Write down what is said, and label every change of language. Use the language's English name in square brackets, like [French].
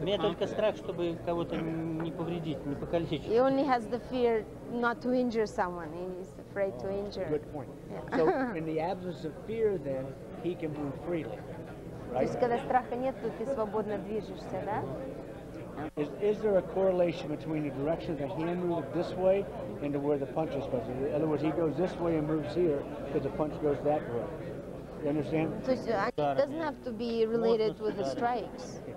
[Russian] Мне только страх, чтобы кого-то не повредить, не покалечить. [English] He only has the fear not to injure someone. He's afraid to injure. Good point. So in the absence of fear, then he can move freely. [Russian] То есть когда страха нет, то ты свободно движешься, да? [English] Is there a correlation between the direction of the hand move this way and to where the punch is supposed to be? In other words, he goes this way and moves here because the punch goes that way. You understand? So it doesn't have to be related with the strikes.